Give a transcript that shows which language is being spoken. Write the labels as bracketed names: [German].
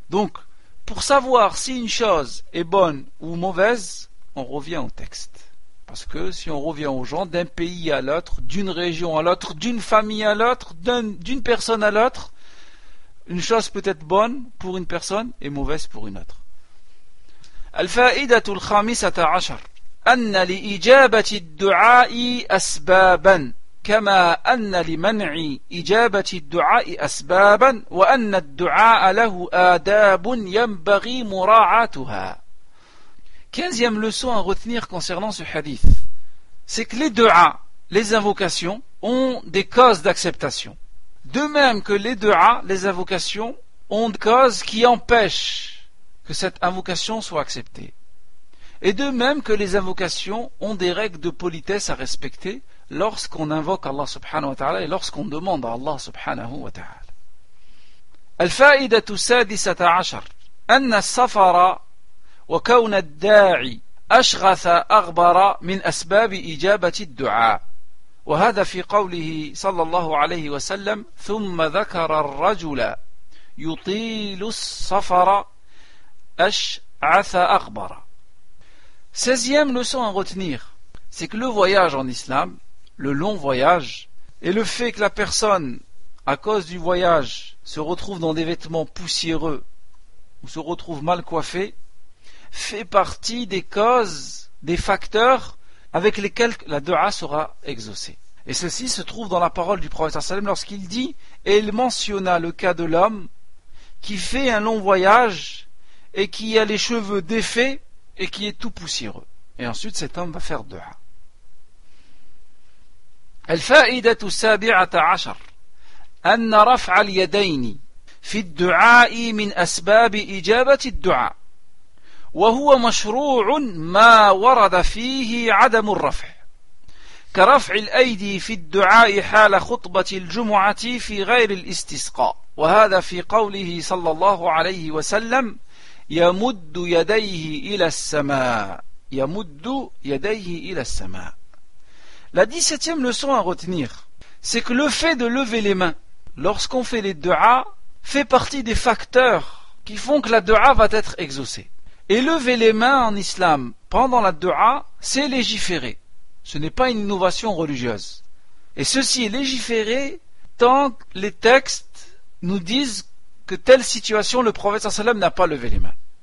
[French] Donc, pour savoir si une chose est bonne ou mauvaise, on revient au texte. Parce que si on revient aux gens d'un pays à l'autre, d'une région à l'autre, d'une famille à l'autre, d'une personne à l'autre, une chose peut être bonne pour une personne et mauvaise pour une autre. [Arabic] الفائدة الخامسة عشر أن لإجابة الدعاء أسبابا كما أن لمنع إجابة الدعاء أسبابا وأن الدعاء له آداب ينبغي مراعاتها. [French] Quinzième leçon à retenir concernant ce hadith, c'est que les du'as, les invocations, ont des causes d'acceptation. De même que les du'as, les invocations, ont des causes qui empêchent que cette invocation soit acceptée. Et de même que les invocations ont des règles de politesse à respecter lorsqu'on invoque Allah subhanahu wa ta'ala et lorsqu'on demande à Allah subhanahu wa ta'ala. [Arabic] Al-fa'idatu sadisata ashar أن السفر وكون الداعي أشغث أغبر من أسباب إجابة الدعاء، وهذا في قوله صلى الله عليه وسلم: ثم ذكر الرجل يطيل السفر أشعث أغبر. [French] 16e leçon à retenir, c'est que le voyage en islam, le long voyage, et le fait que la personne, à cause du voyage, se retrouve dans des vêtements poussiéreux ou se retrouve mal coiffée, fait partie des causes, des facteurs avec lesquels la dua sera exaucée. Et ceci se trouve dans la parole du prophète sallam lorsqu'il dit, et il mentionna le cas de l'homme qui fait un long voyage et qui a les cheveux défaits et qui est tout poussiéreux. Et ensuite cet homme va faire dua. [Arabic] الفائده السابعه عشر ان رفع اليدين في الدعاء من اسباب اجابه الدعاء وهو مشروع ما ورد فيه عدم الرفع كرفع الايدي في الدعاء حال خطبه الجمعه في غير الاستسقاء وهذا في قوله صلى الله عليه وسلم يمد يديه الى السماء يمد يديه الى السماء. [French] La 17e leçon à retenir, c'est que le fait de lever les mains lorsqu'on fait les du'as fait partie des facteurs qui font que la du'a va être exaucée. Et lever les mains en islam pendant la du'a, c'est légiféré. Ce n'est pas une innovation religieuse. Et ceci est légiféré tant que les textes nous disent que telle situation, le prophète sallallahu alayhi wa sallam n'a pas levé les mains.